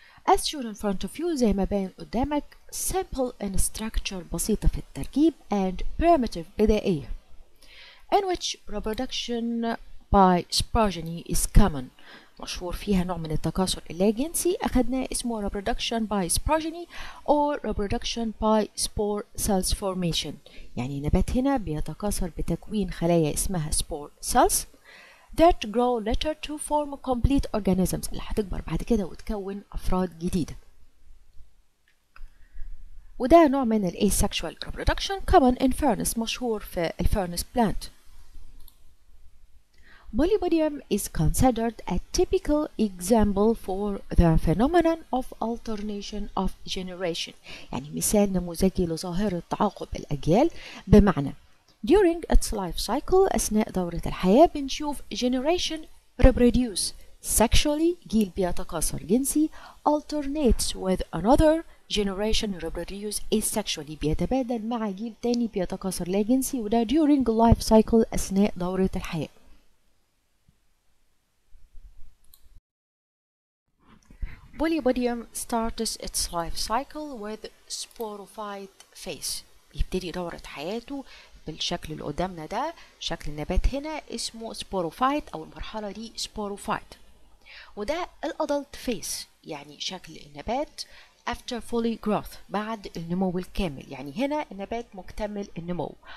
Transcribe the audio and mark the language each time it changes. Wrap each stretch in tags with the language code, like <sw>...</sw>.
<en>As shown in front of you</en> <ar>زي ما باين قدامك</ar> <en>simple in structure</en> <ar>بسيطة في التركيب</ar> <en>and primitive</en> <ar>بدائية</ar> <en>in which reproduction by sporogeny is common.</en> <ar>مشهور فيها نوع من التكاثر اللاجنسي أخذناه اسمه</ar> <en>reproduction by sporogeny or reproduction by spore cells formation.</en> <ar>يعني نبات هنا بيتكاثر بتكوين خلايا اسمها</ar> <en>spore cells that grow later to form complete organisms</en> <ar>اللي هتكبر بعد كده وتكون أفراد جديدة. وده نوع من</ar> <en>asexual reproduction common in fernus</en> <ar>مشهور في</ar> <en>fernus plant. Polypodium is considered a typical example for the phenomenon of alternation of generation.</en> <ar>يعني مثال نموذجي لظاهرة تعاقب الأجيال بمعنى</ar> <en>during its life cycle</en> <ar>أثناء دورة الحياة بنشوف</ar> <en>generation reproduce sexually</en> <ar>جيل بيتكاثر جنسي</ar> <en>alternates with another generation reproduce asexually</en> <ar>بيتبادل مع جيل تاني بيتكاثر لا جنسي وده</ar> <en>during life cycle</en> <ar>أثناء دورة الحياة.</ar> <en>Polypodium starts its life cycle with sporophyte phase.</en> <ar>يبتدي دورة حياته بالشكل اللي قدامنا ده، شكل النبات هنا اسمه sporophyte أو المرحلة دي sporophyte. وده الأدلت phase يعني شكل النبات</ar> <en>after fully growth</en> <ar>بعد النمو الكامل. يعني هنا النبات مكتمل النمو.</ar>